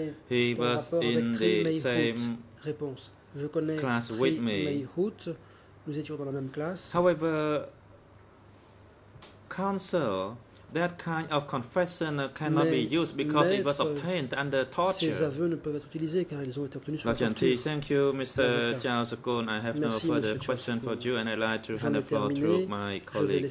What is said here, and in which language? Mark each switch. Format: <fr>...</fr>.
<en>He was in the same class with me.</en> <fr>Nous étions dans la même classe.</fr> <en>However, counsel, that kind of confession cannot be used because it was obtained under torture.</en> <fr>Ces aveux ne peuvent être utilisés car ils ont été obtenus sous la torture.</fr> <en>Thank you, Mr. Charles Kuhn. I have no further question for you, and I'd like to hand the floor to my colleague.</en>